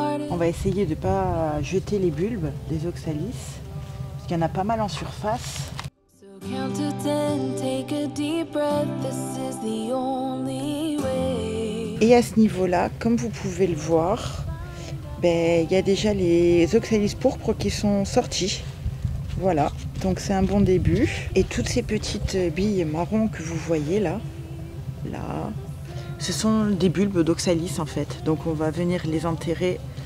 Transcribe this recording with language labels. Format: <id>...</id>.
<fr>On va essayer de ne pas jeter les bulbes des oxalis. Parce qu'il y en a pas mal en surface.</fr> <en>Count to ten, take a deep breath, this is the only way.</en> <fr>Et à ce niveau-là, comme vous pouvez le voir, y a déjà les oxalis pourpres qui sont sortis. Voilà, donc c'est un bon début. Et toutes ces petites billes marron que vous voyez là, ce sont des bulbes d'oxalis en fait. Donc on va venir les enterrer</fr>